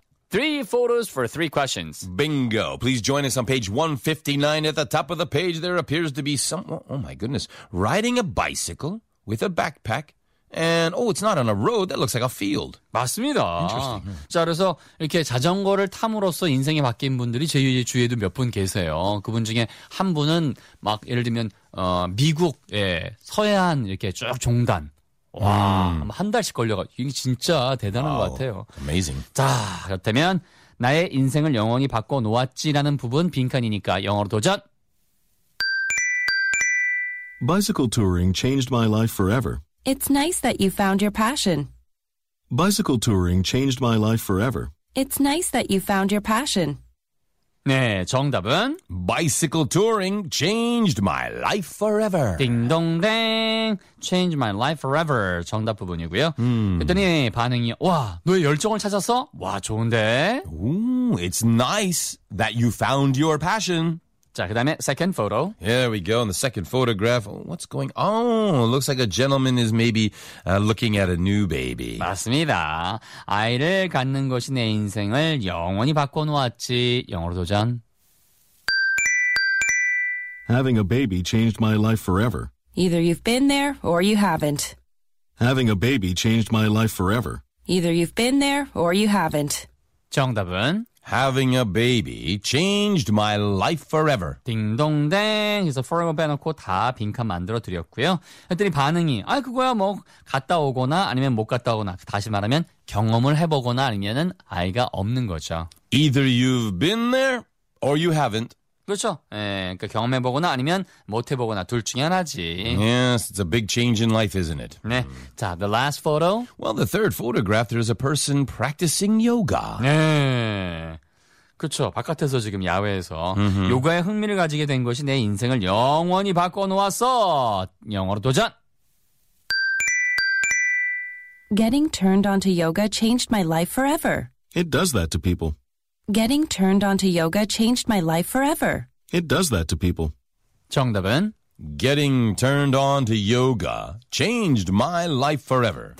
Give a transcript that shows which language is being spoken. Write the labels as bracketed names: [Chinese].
[English] Three photos for three questions. Bingo. Please join us on page 159. At the top of the page, there appears to be someone, oh my goodness, riding a bicycle with a backpack. And, oh, it's not on a road. That looks like a field. [Korean] 맞습니다. [English] Interesting. [Korean] 자, 그래서 이렇게 자전거를 탐으로써 인생이 바뀐 분들이 제 주위에도 몇 분 계세요. 그분 중에 한 분은 막 예를 들면 미국 예, 서해안 이렇게 쭉 종단. 와, 한 달씩 걸려가. 이게 진짜 대단한 것 같아요. [English] Amazing. [Korean] 자, 그렇다면 나의 인생을 영원히 바꿔놓았지라는 부분 빈칸이니까 영어로 도전! [English] Bicycle touring changed my life forever. It's nice that you found your passion. Bicycle touring changed my life forever. It's nice that you found your passion. [Korean] 네, 정답은 [English] Bicycle touring changed my life forever. [Korean] 딩동댕 [English] Changed my life forever. [Korean] 정답 부분이고요. 그랬더니 반응이 와, 너의 열정을 찾았어? 와, 좋은데? [English] Ooh, it's nice that you found your passion. [Korean] 자, 그 다음에 [English] second photo. Here we go. In the second photograph, what's going on? Oh, looks like a gentleman is maybe looking at a new baby. [Korean] 맞습니다. 아이를 갖는 것이 내 인생을 영원히 바꿔놓았지. 영어로 도전. [English] Having a baby changed my life forever. Either you've been there or you haven't. Having a baby changed my life forever. Either you've been there or you haven't. [Korean] 정답은? [English] Having a baby changed my life forever. [Korean] 딩동댕. 그래서 forever 빼놓고 다 빈칸 만들어드렸고요. 그랬더니 반응이 아 그거야 뭐 갔다 오거나 아니면 못 갔다 오거나 다시 말하면 경험을 해보거나 아니면은 아이가 없는 거죠. [English] Either you've been there or you haven't. [Korean] 그렇죠. 예, 그러니까 경험해보거나 아니면 못해보거나 둘 중에 하나지. [English] Yes, it's a big change in life, isn't it? 네. 자, the last photo. Well, the third photograph, there's a person practicing yoga. [Korean] 네. 그렇죠. 바깥에서 지금 야외에서 mm-hmm. 요가에 흥미를 가지게 된 것이 내 인생을 영원히 바꿔놓았어. 영어로 도전! [English] Getting turned on to yoga changed my life forever. It does that to people. Getting turned on to yoga changed my life forever. It does that to people. [Korean] 정답은? [English] Getting turned on to yoga changed my life forever.